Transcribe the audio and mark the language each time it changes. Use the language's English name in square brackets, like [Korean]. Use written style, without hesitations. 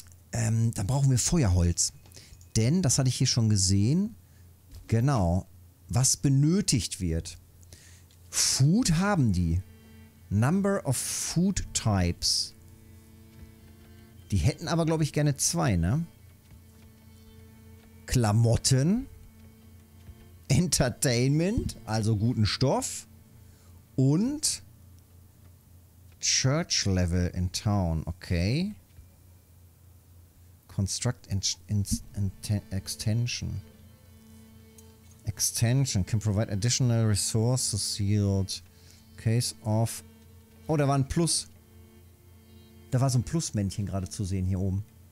[German] Dann brauchen wir Feuerholz. Denn, das hatte ich hier schon gesehen, genau, was benötigt wird. [English] Food [German] haben die. [English] Number of food types. [German] Die hätten aber, glaube ich, gerne zwei, ne? Klamotten. [English] Entertainment, [German] also guten Stoff. [English] Und Church Level in Town, okay. Construct Extension. Extension can provide additional resources yield. Case of... [German] Oh, da war ein Plus. Da war so ein Plusmännchen gerade zu sehen hier oben.